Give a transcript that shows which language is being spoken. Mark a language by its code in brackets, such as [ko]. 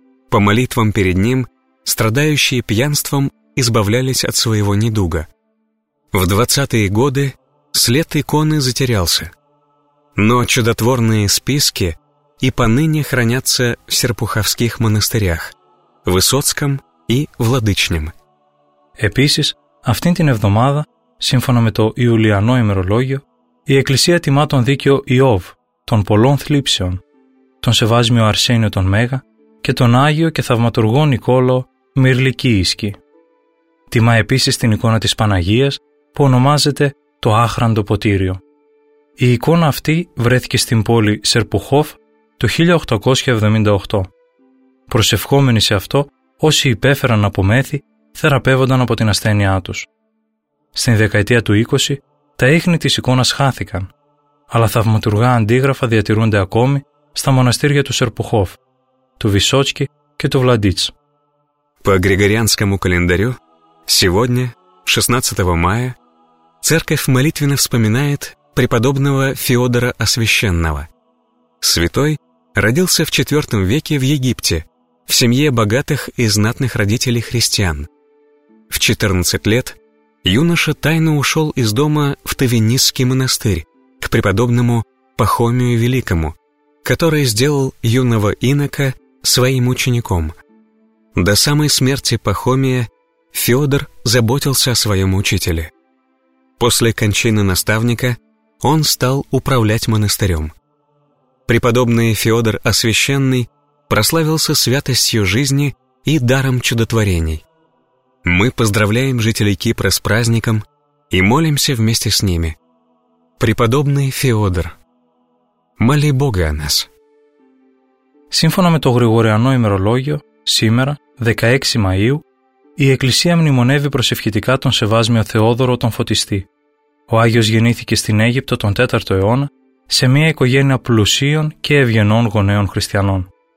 [ru] По молитвам перед ним страдающие пьянством избавлялись от своего недуга. В 20-е годы след иконы затерялся, но чудотворные списки и поныне хранятся в серпуховских монастырях, Высоцком и Владычнем. [el] Επίσης, αυτήν την εβδομάδα, σύμφωνα με το Ιουλιανό ημερολόγιο, η Εκκλησία τιμά τον δίκαιο Ιώβ των πολλών θλίψεων, τον Σεβάσμιο Αρσένιο τον Μέγα και τον Άγιο και Θαυματουργό Νικόλο Μυρλικίσκι. Τιμά επίσης την εικόνα της Παναγίας που ονομάζεται το Άχραντο Ποτήριο. Η εικόνα αυτή βρέθηκε στην πόλη Σερπουχόφ το 1878. Προσευχόμενοι σε αυτό, όσοι υπέφεραν από μέθη θεραπεύονταν από την ασθένειά τους. Στην δεκαετία του 20, τα ίχνη της εικόνας χάθηκαν, αλλά θαυματουργά αντίγραφα διατηρούνται ακόμη στα μοναστήρια του Σερπουχόφ, του Βυσότσκι και του Βλαντίτς. [ru] По Григорианскому календарю, сегодня, 16 мая, церковь молитвенно вспоминает преподобного Феодора Освященного. Святой родился в IV веке в Египте, в семье богатых и знатных родителей христиан. В 14 лет юноша тайно ушел из дома в Тавенисский монастырь к преподобному Пахомию Великому, который сделал юного инока своим учеником. До самой смерти Пахомия Феодор заботился о своем учителе. После кончины наставника он стал управлять монастырем. Преподобный Феодор Освященный прославился святостью жизни и даром чудотворений. Мы поздравляем жителей Кипра с праздником и молимся вместе с ними. Преподобный Феодор, моли Бога о нас. [el] Σύμφωνα με το Γρηγοριανό ημερολόγιο, σήμερα, 16 Μαΐου, η Εκκλησία μνημονεύει προσευχητικά τον Σεβάσμιο Θεόδωρο τον Φωτιστή. Ο Άγιος γεννήθηκε στην Αίγυπτο τον 4ο αιώνα σε μια οικογένεια πλουσίων και ευγενών γονέων χριστιανών.